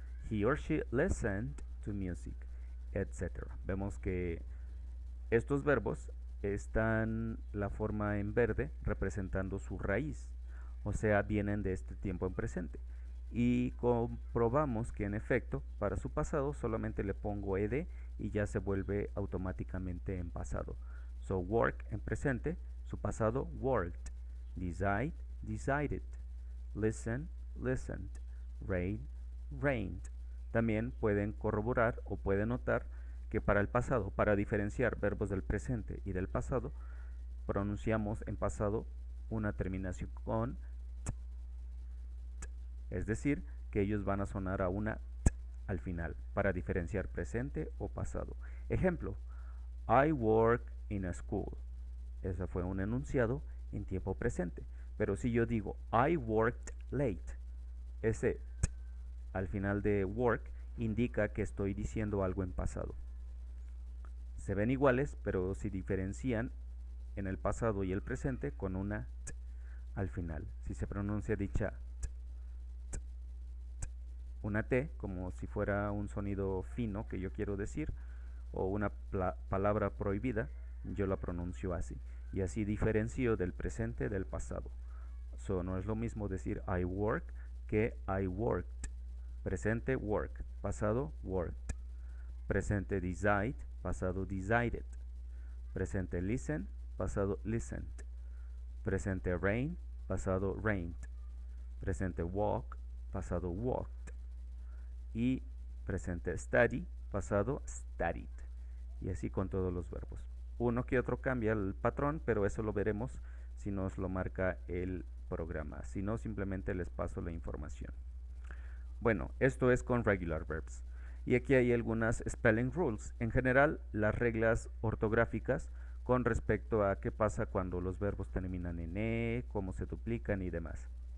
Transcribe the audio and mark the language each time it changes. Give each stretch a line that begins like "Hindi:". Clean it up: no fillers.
English: He or she listened to music, etc.
Spanish: Vemos que estos verbos están la forma en verde representando su raíz, o sea, vienen de este tiempo en presente. Y comprobamos que en efecto, para su pasado solamente le pongo ed y ya se vuelve automáticamente en pasado.
English: So, work
Spanish: en presente, su pasado,
English: worked. Decide, decided. Listen, listened. Rain, rained.
Spanish: También pueden corroborar o pueden notar que para el pasado, para diferenciar verbos del presente y del pasado, pronunciamos en pasado una terminación con. Es decir, que ellos van a sonar a una t al final para diferenciar presente o pasado. Ejemplo,
English: I work in a school.
Spanish: Ese fue un enunciado en tiempo presente. Pero si yo digo
English: I worked late,
Spanish: ese t al final de work indica que estoy diciendo algo en pasado. Se ven iguales, pero se diferencian en el pasado y el presente con una t al final. Si se pronuncia dicha una T, como si fuera un sonido fino que yo quiero decir, o una palabra prohibida, yo la pronuncio así. Y así diferencio del presente del pasado. So, no es lo mismo decir I work que I worked. Presente, work. Pasado, worked. Presente, decide. Pasado, decided. Presente, listen. Pasado, listened. Presente, rain. Pasado, rained. Presente, walk. Pasado, walked. Y presente study, pasado studied. Y así con todos los verbos. Uno que otro cambia el patrón, pero eso lo veremos si nos lo marca el programa. Si no, simplemente les paso la información. Bueno, esto es con regular verbs. Y aquí hay algunas spelling rules. En general, las reglas ortográficas con respecto a qué pasa cuando los verbos terminan en e, cómo se duplican y demás.